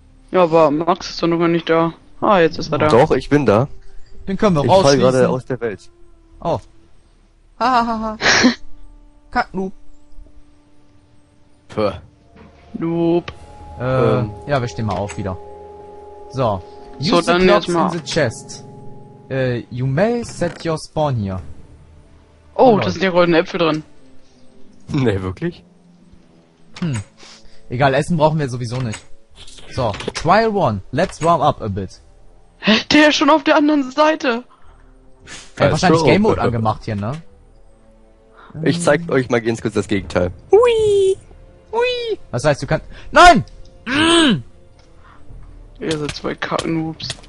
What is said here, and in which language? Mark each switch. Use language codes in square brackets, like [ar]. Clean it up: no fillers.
[de] Ja, aber Max ist doch noch mal nicht da. Ah, jetzt ist er da. Doch, ich bin da. Den können wir rausschießen. Ich fall gerade aus der Welt. Oh. Hahaha. Kack, Noob. Puh. Noob. Ja, wir stehen mal auf wieder. So. Use so, dann jetzt mal. [en] Use the clocks in the chest. You may set your spawn here. [de] Oh, da sind ja goldene Äpfel drin. Nee, wirklich? Egal, Essen brauchen wir sowieso nicht. [en] So, Trial 1, let's warm up a bit. [de] Hä? Der ist schon auf der anderen Seite. Er hat wahrscheinlich Game Mode angemacht hier, ne? Ich zeig euch mal ganz kurz das Gegenteil. Hui! Hui! Was heißt, du kannst... Nein! Ihr seid zwei Kacknoobs.